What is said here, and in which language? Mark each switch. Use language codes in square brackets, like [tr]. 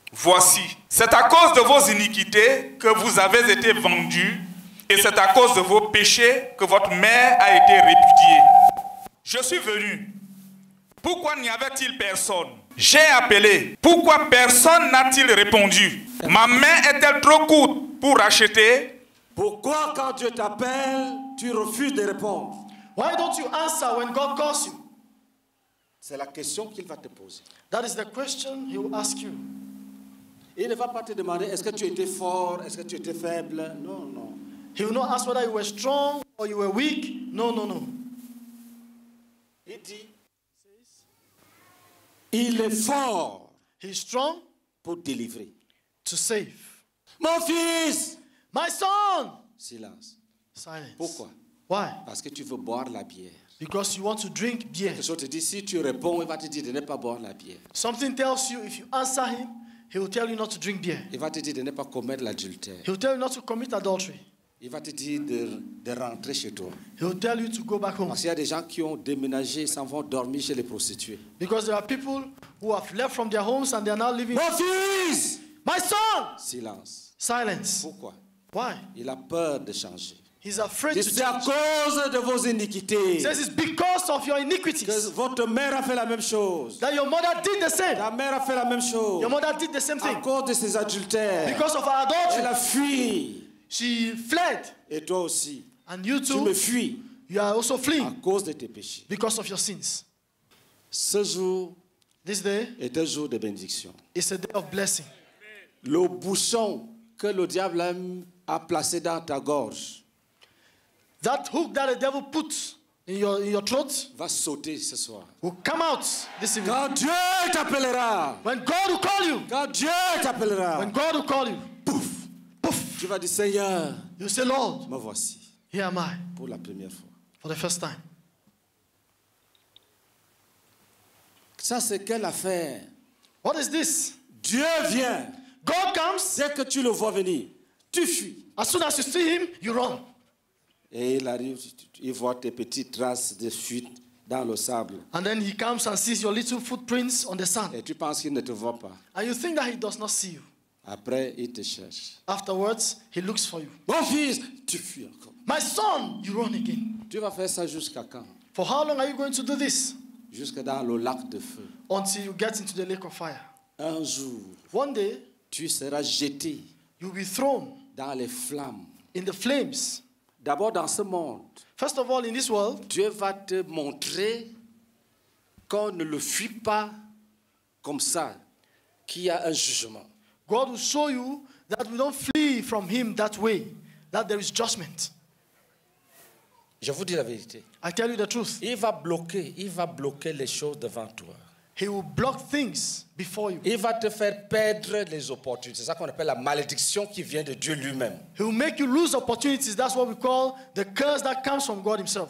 [fr] Voici, c'est à cause de vos iniquités que vous avez été vendus et c'est à cause de vos péchés que votre mère a été répudiée. Je suis venu. Pourquoi n'y avait-il personne? J'ai appelé. Pourquoi personne n'a-t-il répondu? Ma main est-elle trop courte pour acheter? Pourquoi quand Dieu t'appelle, tu refuses de répondre? [en] Why don't you answer when God calls you? [fr] C'est la question qu'il va te poser. [en] That is the question he will ask you. [fr] Il ne va pas te demander est-ce que tu étais fort, est-ce que tu étais faible. Non, non. [en] He will not ask whether you were strong or you were weak. No, no, no. [fr] He dit, il est fort. [en] He's strong. [fr] Pour délivrer. [en] To save. [fr] Mon fils. [en] My son. [fr] Silence. [en] Silence. [fr] Pourquoi? [en] Why? [fr] Parce que tu veux boire la bière. [en] Because you want to drink beer. [fr] Quelque chose te dit, si tu réponds, il va te dire de ne pas boire la bière. [en] Something tells you, if you answer him, he will tell you not to drink beer. [fr] Il va te dire de ne pas commettre l'adultère. [en] He will tell you not to commit adultery. [fr] Il va te dire de rentrer chez toi. [en] He will tell you to go back home. [fr] Parce qu'il y a des gens qui ont déménagé, s'en vont dormir chez les prostituées. [en] Because there are people who have left from their homes and they are now living. [fr] Mon fils! [en] My son! [fr] Silence. [en] Silence. [fr] Pourquoi? [en] Why? [fr] Il a peur de changer. [en] He's afraid to change. [fr] À cause de vos iniquités. [en] He says it's because of your iniquities. [fr] Que votre mère a fait la même chose. [en] That your mother did the same. [fr] Ta mère a fait la même chose. [en] Your mother did the same thing. [fr] À cause de ses adultères. [en] Because of her adultery. [fr] Elle a fui. [en] She fled. [fr] Et toi aussi. [en] And you too. [fr] Tu me fuis. [en] You are also fleeing. [fr] À cause de tes péchés. [en] Because of your sins. [fr] Ce jour. [en] This day. [fr] Est un jour de bénédiction. [en] It's a day of blessing. [fr] Le bouchon que le diable a placé dans ta gorge. [en] That hook that the devil put in your throat [fr] va sauter ce soir. [en] Will come out this evening. [fr] Quand Dieu t'appellera. [en] When God will call you. [fr] Quand Dieu t'appellera. [en] When God will call you. Pouf, pouf. [fr] Tu vas dire Seigneur. [en] You say Lord. [fr] Me voici. [en] Here am I. [fr] Pour la première fois. [en] For the first time. [fr] Ça c'est quelle affaire? [en] What is this? [fr] Dieu vient. [en] God comes. [fr] Dès que tu le vois venir, tu fuis. [en] As soon as you see him, you run. [fr] Et il arrive, il voit tes petites traces de fuite dans le sable. [en] And then he comes and sees your little footprints on the sand. [fr] Et tu penses qu'il ne te voit pas. [en] And you think that he does not see you. [fr] Après, il te cherche. [en] Afterwards, he looks for you. [fr] Mon fils, tu fuis encore. [en] My son, you run again. [fr] Tu vas faire ça jusqu'à quand? [en] For how long are you going to do this? [fr] Jusque dans le lac de feu. [en] Until you get into the lake of fire. [fr] Un jour. [en] One day. [fr] Tu seras jeté. [en] You will be thrown. [fr] Dans les flammes. [en] In the flames. [fr] D'abord dans ce monde. [en] First of all, in this world, [fr] Dieu va te montrer qu'on ne le fuit pas comme ça, qu'il y a un jugement. [en] God will show you that we don't flee from him that way, that there is judgment. [fr] Je vous dis la vérité. [en] I tell you the truth. [fr] Il va bloquer les choses devant toi. [en] He will block things before you. [fr] Il va te faire perdre les opportunités. C'est ça qu'on appelle la malédiction qui vient de Dieu lui-même. [en] He will make you lose opportunities. That's what we call the curse that comes from God himself.